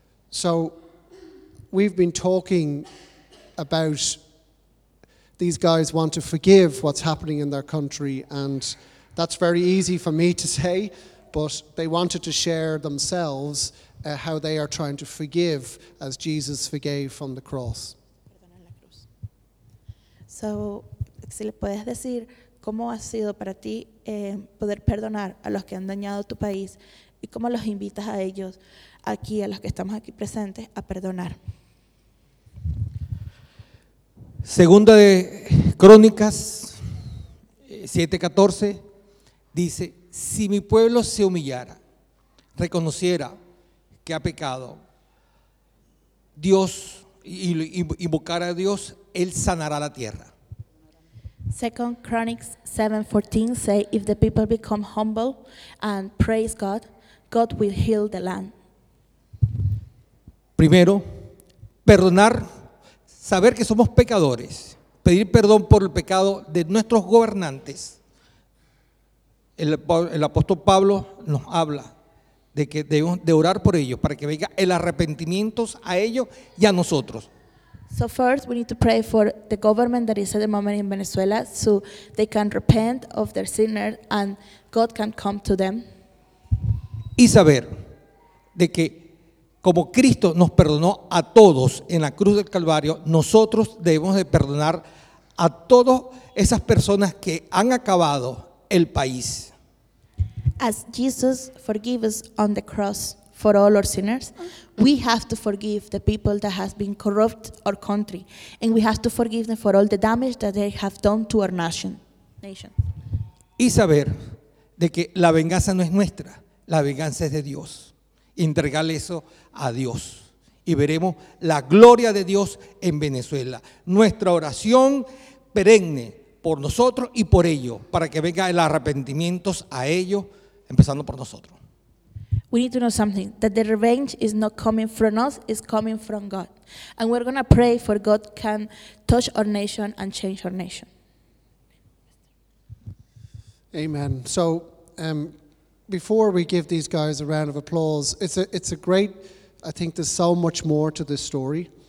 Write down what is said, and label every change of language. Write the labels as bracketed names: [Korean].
[English] So we've been talking about these guys want to forgive what's happening in their country, and that's very easy for me to say, but they wanted to share themselves how they are trying to forgive as Jesus forgave from the cross. [Spanish] So si le puedes decir cómo ha sido para ti poder perdonar a los que han dañado tu país y cómo los invitas a ellos aquí, a los que estamos aquí presentes, a perdonar. Segunda de Crónicas 7:14 dice, si mi pueblo se humillara, reconociera que ha pecado, Dios, y invocara a Dios, Él sanará la tierra. [English] 2 Chronicles 7:14 say, if the people become humble and praise God, God will heal the land. [Spanish] Primero, perdonar, saber que somos pecadores, pedir perdón por el pecado de nuestros gobernantes. El apóstol Pablo nos habla de que debemos de orar por ellos para que venga el arrepentimiento a ellos y a nosotros. [English] So first, we need to pray for the government that is at the moment in Venezuela so they can repent of their sinners and God can come to them. [Spanish] Y saber de que como Cristo nos perdonó a todos en la cruz del Calvario, nosotros debemos de perdonar a todas esas personas que han acabado el país. [English] As Jesus forgives on the cross for all our sinners. We have to forgive the people that has been corrupt our country, and we have to forgive them for all the damage that they have done to our nation. [Spanish] Y saber de que la venganza no es nuestra, la venganza es de Dios. Entregarle eso a Dios. Y veremos la gloria de Dios en Venezuela. Nuestra oración perenne por nosotros y por ellos, para que venga el arrepentimiento a ellos, empezando por nosotros. [English] We need to know something, that the revenge is not coming from us, it's coming from God. And we're going to pray for God can touch our nation and change our nation. Amen. So, before we give these guys a round of applause, it's a great, I think there's so much more to this story.